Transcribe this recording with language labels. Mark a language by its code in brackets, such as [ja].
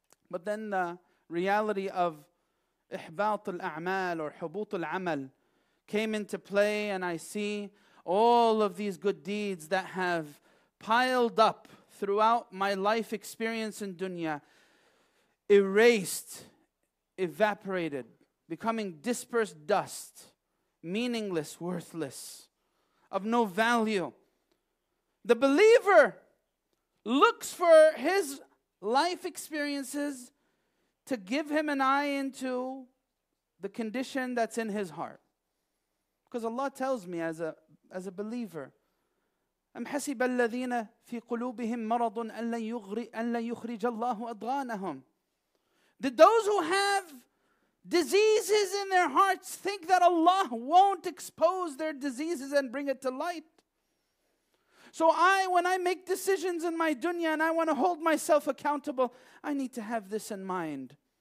[en] But then the reality of إحباط الأعمال or حبوط العمل came into play and I see all of these good deeds that have piled up throughout my life experience in dunya, erased, evaporated, becoming dispersed dust, meaningless, worthless, of no value. The believer looks for his life experiences to give him an eye into the condition that's in his heart. Because Allah tells me as a believer, [ar] أَمْ حَسِبَ الَّذِينَ فِي قُلُوبِهِمْ مَرَضٌ أَلَّا يُخْرِجَ اللَّهُ أَضْغَانَهُمْ. [en] Did those who have diseases in their hearts think that Allah won't expose their diseases and bring it to light? So I, when I make decisions in my dunya and I want to hold myself accountable, I need to have this in mind.